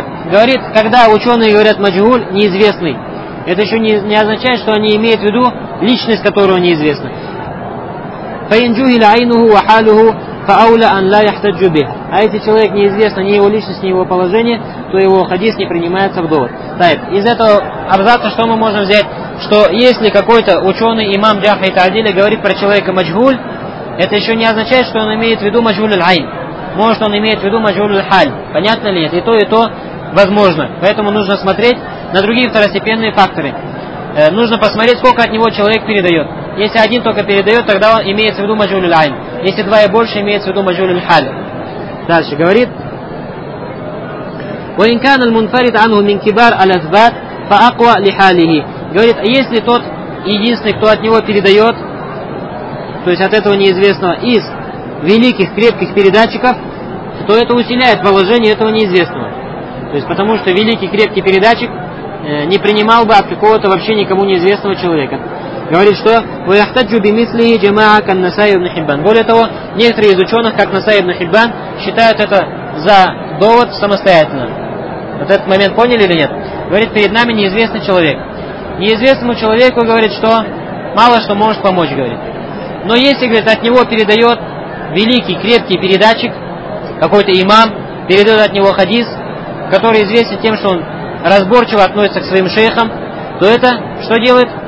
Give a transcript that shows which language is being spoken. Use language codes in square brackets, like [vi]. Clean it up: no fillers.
[ru] Говорит, когда ученые говорят маджхуль, неизвестный, это еще не означает, что они имеют в виду личность, которую неизвестна. [ar] فإن جهل عينه وحاله فأولى أن لا يحتج به. [ru] А если человек неизвестно ни его личность, ни его положение, то его хадис не принимается в довод. Так, из этого абзаца что мы можем взять? Что если какой-то ученый, имам Джаха и Таадили, говорит про человека маджхуль, это еще не означает, что он имеет в виду маджхуль аль-айн. Может, он имеет в виду маджхуль аль-халь. Понятно ли нет? И то возможно. Поэтому нужно смотреть на другие второстепенные факторы. Нужно посмотреть, сколько от него человек передает. Если один только передает, тогда он имеет в виду маджхуль аль-айн. Если два и больше, имеет в виду маджхуль аль-халь. Дальше говорит. [ar] وإن كان المنفرد عنه من كبار الأثبات فأقوى لحاله. [ru] Говорит, если тот единственный, кто от него передает, то есть от этого неизвестного, из великих, крепких передатчиков, то это усиляет положение этого неизвестного. То есть потому что великий, крепкий передатчик не принимал бы от какого-то вообще никому неизвестного человека. Говорит, что [ar] وَيَحْتَجُ بِمِثْلِهِ جَمَعَا كَنْ نَسَائِ ابْنِ حِبَّان. [ru] Более того, некоторые из ученых, как Насай ибн Хиббан, считают это за довод самостоятельно. Вот этот момент поняли или нет? Говорит, перед нами неизвестный человек. Неизвестному человеку, говорит, что мало что может помочь, говорит. Но если, говорит, от него передает великий, крепкий передатчик, какой-то имам, передает от него хадис, который известен тем, что он разборчиво относится к своим шейхам, то это что делает?